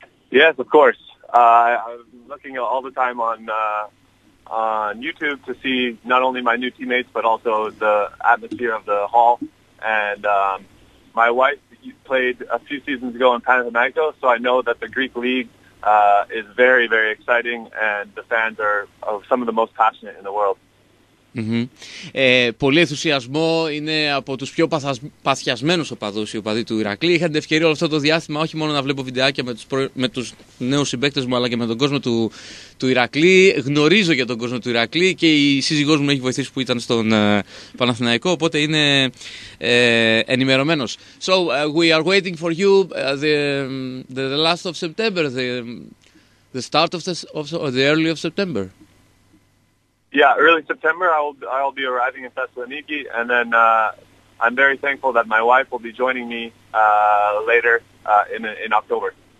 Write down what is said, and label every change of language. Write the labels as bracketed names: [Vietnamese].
[English] Yes, of course. I'm looking all the time on YouTube to see not only my new teammates, but also the atmosphere of the hall. And my wife played a few seasons ago in Panathinaikos, so I know that the Greek league is very, very exciting, and the fans are some of the most passionate in the world. Mm-hmm. [Greek] Πολύ ενθουσιασμό, είναι από τους πιο παθιασμένους οπαδούς οι οπαδοί του Ηρακλή. Είχα την ευκαιρία όλο αυτό το διάστημα όχι μόνο να βλέπω βιντεάκια με τους νέους συμπαίκτες μου αλλά και με τον κόσμο του Ηρακλή. Γνωρίζω για τον κόσμο του Ηρακλή και η σύζυγός μου έχει βοηθήσει που ήταν στον Παναθηναϊκό, οπότε είναι ενημερωμένος. [English] So we are waiting for you the last of September, the start of the early of September. Yeah, early September, I'll be arriving in Thessaloniki, and then I'm very thankful that my wife will be joining me later in October.